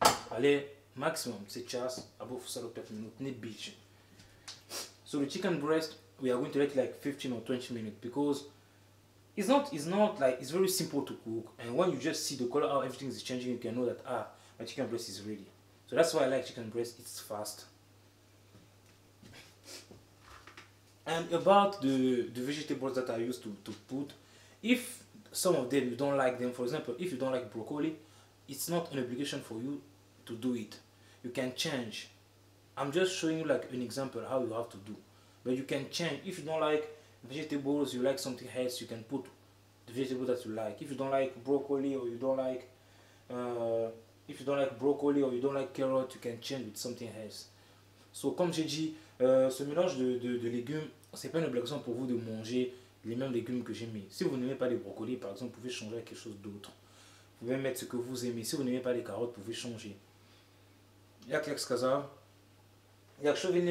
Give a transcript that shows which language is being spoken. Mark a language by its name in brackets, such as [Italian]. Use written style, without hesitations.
[French] Allez, maximum, c'est chasse, à bout de 4 minutes, ne bitch. [English] So the chicken breast, we are going to let like 15 or 20 minutes because it's not like, it's very simple to cook. And when you just see the color, how everything is changing, you can know that, my chicken breast is ready. So that's why I like chicken breast, it's fast. And about the vegetables that I used to put, if some of them you don't like them, for example, if you don't like broccoli, it's not an obligation for you to do it. You can change. I'm just showing you like an example how you have to do, but you can change. If you don't like vegetables, you like something else, you can put the vegetable that you like. If you don't like broccoli or you don't like carrot, you can change with something else. [French] So comme j'ai dit, ce mélange de légumes, c'est pas une obligation pour vous de manger les mêmes légumes que j'ai mis. Si vous n'aimez pas les brocolis, par exemple, vous pouvez changer à quelque chose d'autre. Vous pouvez mettre ce que vous aimez. Si vous n'aimez pas les carottes, vous pouvez changer. Il y a quelque chose à dire. Il y a quelque chose à dire.